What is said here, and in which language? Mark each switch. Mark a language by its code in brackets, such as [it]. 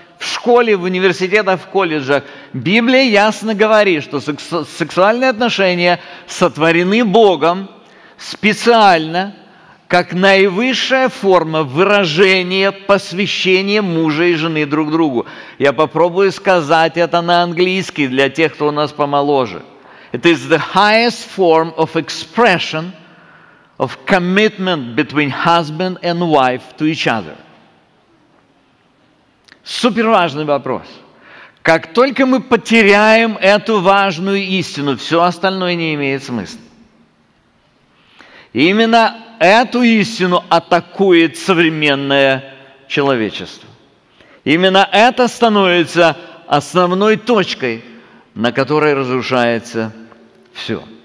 [ru] в школе, в университетах, в колледжах. Библия ясно говорит, что сексуальные отношения сотворены Богом специально, как наивысшая форма выражения посвящения мужа и жены друг другу. Я попробую сказать это на английский для тех, кто у нас помоложе. [en] It is the highest form of expression of commitment between husband and wife to each other. [ru] Суперважный вопрос. Как только мы потеряем эту важную истину, все остальное не имеет смысла. Именно эту истину атакует современное человечество. Именно это становится основной точкой, на которой разрушается все.